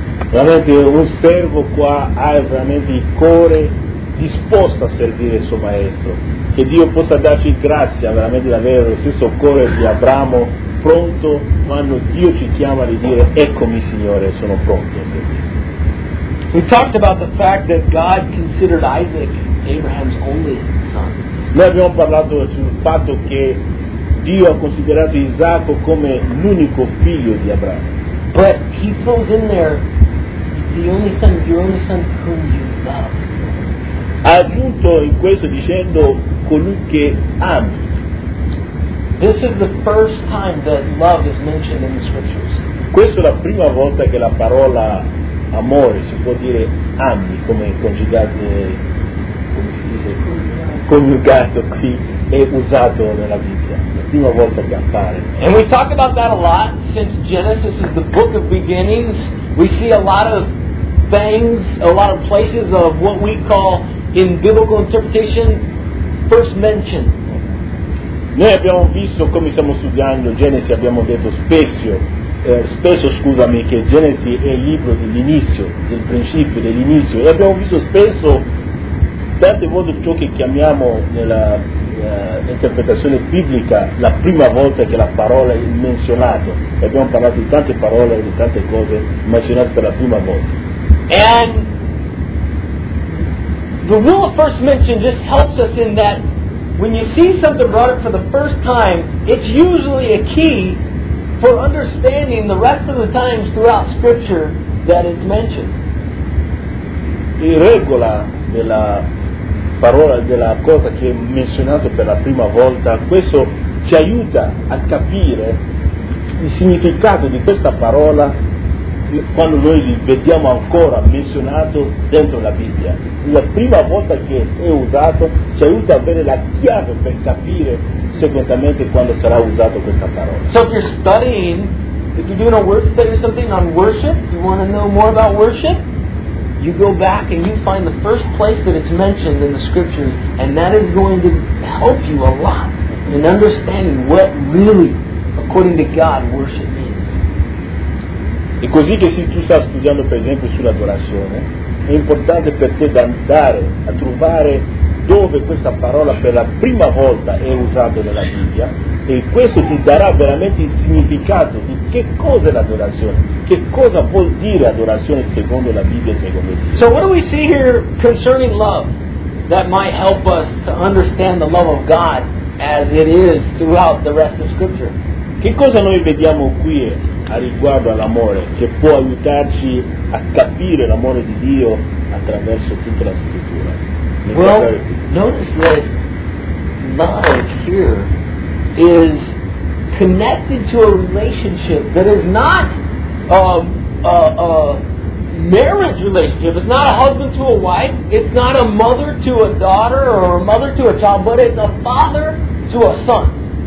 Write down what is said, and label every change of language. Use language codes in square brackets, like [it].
[it] Veramente un servo qua ha veramente il cuore disposto a servire il suo maestro, che Dio possa darci grazia veramente di avere lo stesso cuore di Abramo, pronto quando Dio ci chiama di dire eccomi Signore, sono pronto a servire. [en] We talked about the fact that God considered Isaac Abraham's only son. [it] Noi abbiamo parlato sul fatto che Dio ha considerato Isacco come l'unico figlio di Abramo. [en] But he throws in there the only son, your only son whom you love. [it] Ha aggiunto in questo dicendo colui che ami. [en] This is the first time that love is mentioned in the scriptures. [it] Questa è la prima volta che la parola amore si può dire ami, come coniugato, come si dice, coniugato qui, è usato nella Bibbia. La prima volta che appare. [en] And we talk about that a lot since Genesis is the book of beginnings. We see a lot of things, a lot of places of what we call in biblical interpretation, first mention. [it] Noi abbiamo visto, come stiamo studiando Genesi, abbiamo detto spesso, che Genesi è il libro dell'inizio, del principio, dell'inizio, e abbiamo visto spesso, tante volte, ciò che chiamiamo nella interpretazione biblica la prima volta che la parola è menzionata. Abbiamo parlato di tante parole e di tante cose menzionate per la prima volta. [en] And the rule of first mention just helps us in that when you see something brought up for the first time, it's usually a key for understanding the rest of the times throughout Scripture that it's mentioned. [it] La regola della parola, della cosa che è menzionata per la prima volta, questo ci aiuta a capire il significato di questa parola quando noi li vediamo ancora menzionato dentro la Bibbia. La prima volta che è usato ci aiuta a avere la chiave per capire segnatamente quando sarà usato questa parola. [en] So if you're studying, if you're doing a word study or something on worship, you want to know more about worship, you go back and you find the first place that it's mentioned in the scriptures, and that is going to help you a lot in understanding what really, according to God, worship means. [it] E così che se tu stai studiando per esempio sull'adorazione, è importante per te andare a trovare dove questa parola per la prima volta è usata nella Bibbia, e questo ti darà veramente il significato di che cosa è l'adorazione, che cosa vuol dire adorazione secondo la Bibbia e secondo Dio. [en] So what do we see here concerning love that might help us to understand the love of God as it is throughout the rest of Scripture? [it] Che cosa noi vediamo qui a riguardo all'amore che può aiutarci a capire l'amore di Dio attraverso tutta la scrittura? [en] Well, notice that love here is connected to a relationship that is not a marriage relationship. It's not a husband to a wife. It's not a mother to a daughter or a mother to a child, but it's a father to a son.